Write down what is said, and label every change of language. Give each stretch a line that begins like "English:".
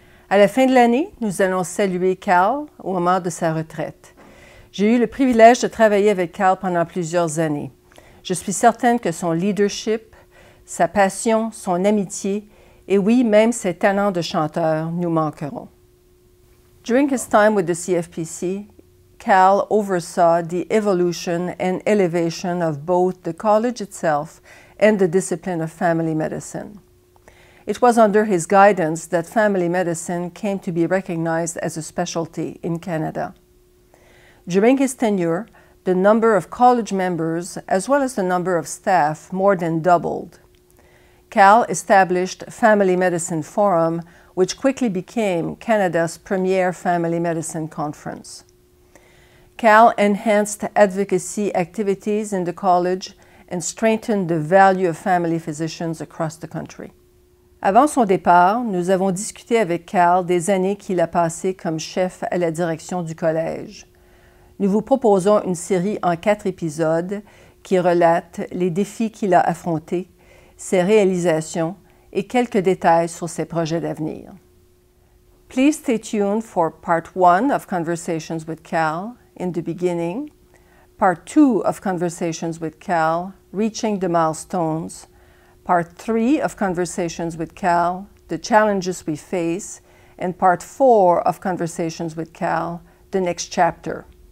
French: À la fin de l'année, nous allons saluer Carl au moment de sa retraite. J'ai eu le privilège de travailler avec Carl pendant plusieurs années. Je suis certaine que son leadership, sa passion, son amitié et oui, même ses talents de chanteur nous manqueront.
English: During his time with the CFPC, Carl oversaw the evolution and elevation of both the college itself and the discipline of family medicine. It was under his guidance that family medicine came to be recognized as a specialty in Canada. During his tenure, the number of college members, as well as the number of staff, more than doubled. Carl established Family Medicine Forum, which quickly became Canada's premier family medicine conference. Carl enhanced advocacy activities in the college and strengthened the value of family physicians across the country.
French: Avant son départ, nous avons discuté avec Carl des années qu'il a passées comme chef à la direction du collège. Nous vous proposons une série en 4 épisodes qui relate les défis qu'il a affrontés, ses réalisations et quelques détails sur ses projets d'avenir.
English: Please stay tuned for part 1 of Conversations with Carl in the beginning, part 2 of Conversations with Carl, Reaching the Milestones, part 3 of Conversations with Carl, The Challenges We Face, and part 4 of Conversations with Carl, The Next Chapter.